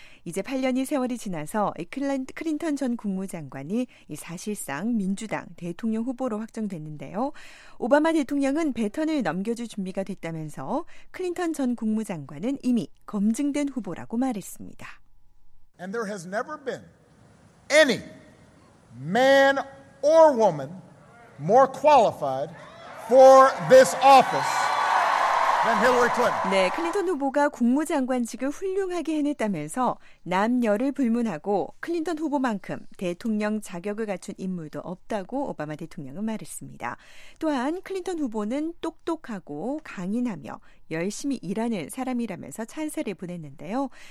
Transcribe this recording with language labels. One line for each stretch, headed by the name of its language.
Korean: 이제 8년이 세월이 지나서 클린턴 전 국무장관이 사실상 민주당 대통령 후보로 확정됐는데요. 오바마 대통령은 배턴을 넘겨줄 준비가 됐다면서 클린턴 전 국무장관은 이미 검증된 후보라고 말했습니다.
English: And there has never been any man or woman more qualified for this office.
Korean: 네, 클린턴 후보가 국무장관직을 훌륭하게 해냈다면서 남녀를 불문하고 클린턴 후보만큼 대통령 자격을 갖춘 인물도 없다고 오바마 대통령은 말했습니다. 또한 클린턴 후보는 똑똑하고 강인하며 열심히 일하는 사람이라면서 찬사를 보냈는데요.